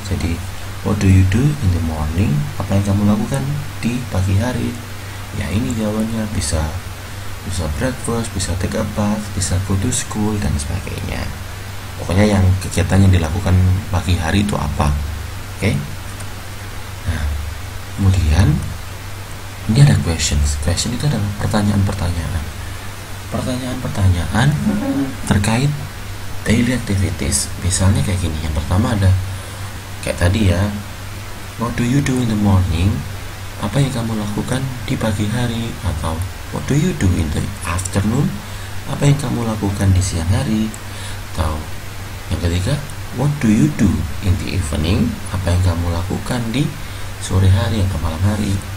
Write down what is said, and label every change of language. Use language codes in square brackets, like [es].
[id] Jadi [en] what do you do in the morning? [id] Apa yang kamu lakukan di pagi hari? Ya ini jawabannya, bisa breakfast, bisa [en] take a bath, [id] bisa [en] go to school, [id] dan sebagainya. Pokoknya yang kegiatan yang dilakukan pagi hari itu apa. Oke? Okay? Nah, kemudian ini ada questions. Question itu adalah pertanyaan-pertanyaan. Pertanyaan-pertanyaan terkait daily activities. Misalnya kayak gini, yang pertama ada kayak tadi ya, [en] what do you do in the morning? [id] Apa yang kamu lakukan di pagi hari? Atau [en] what do you do in the afternoon? [id] Apa yang kamu lakukan di siang hari? Atau yang ketiga, [en] what do you do in the evening? [id] Apa yang kamu lakukan di sore hari atau malam hari?